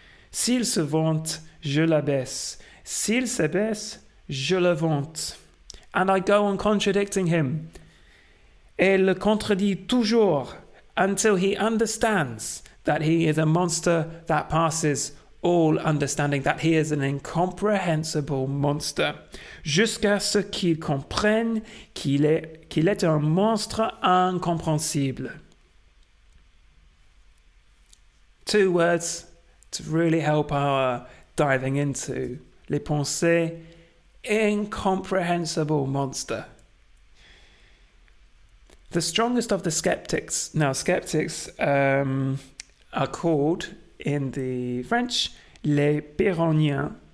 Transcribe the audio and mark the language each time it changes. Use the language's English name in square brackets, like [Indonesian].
[French] S'il se vante, je l'abaisse. S'il s'abaisse, je le vante. [English] And I go on contradicting him. [French] Et le contredit toujours [English] until he understands that he is a monster that passes all understanding, that he is an incomprehensible monster. [French] Jusqu'à ce qu'il comprenne qu'il est un monstre incompréhensible. [English] Two words to really help our diving into. Les pensées, incomprehensible monster. The strongest of the skeptics. Now, skeptics are called in the French les Pyrrhoniens.